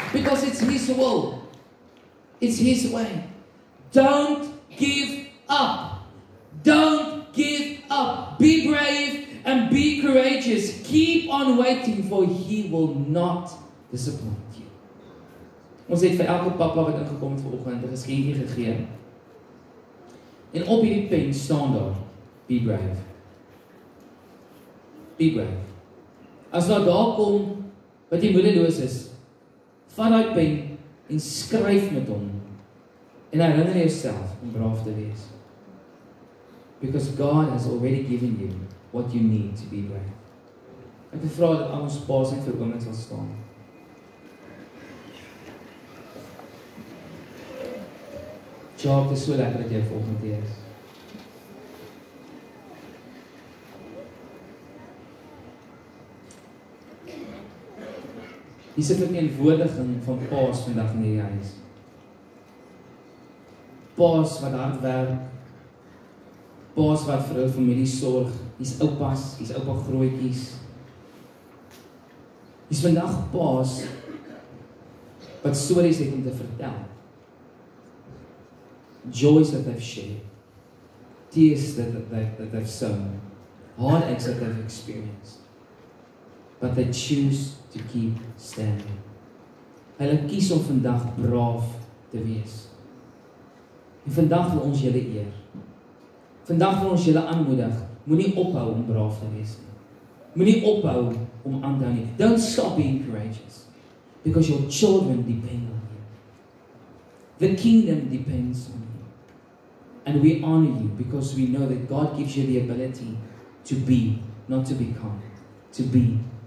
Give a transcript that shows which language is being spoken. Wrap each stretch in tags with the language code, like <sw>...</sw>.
<en>Because it's His will. It's His way. Don't give up. Don't give up. Be brave and be courageous. Keep on waiting, for He will not disappoint.</en> <af>Ons het vir elke papa wat ingekom het vir oggend 'n geskenkie gegee. En op hierdie pen staan daar,</af> <en>be brave. Be brave.</en> <af>As nou daar kom, wat jy moedeloos is, vat daai pen en skryf met hom. En herinner jouself om braaf te wees.</af> <en>Because God has already given you what you need to be brave.</en> <af>Ek wil vra dat al ons paas en vir oomblik sal staan. Ja, het is so lekker dat jy volgende keer is. Hier is een verteenwoordiging van paas vandag in die huis. Paas wat hard werk. Paas wat vir jou familie sorg. Hier is oupa grootjies. Hier is vandag paas wat stories het om te vertel.</af> <en>Joys that they've shared, tears that they've sown, heartaches that they've experienced, but they choose to keep standing.</en> <af>Hulle kies om vandag braaf te wees. En vandag wil ons julle eer. Vandag wil ons julle aanmoedig. Moenie ophou om braaf te wees. Moenie ophou om aan te hou nie.</af> <en>Don't stop being courageous, because your children depend on you. The kingdom depends on you. And we honor you because we know that God gives you the ability to be, not to become, to be.</en>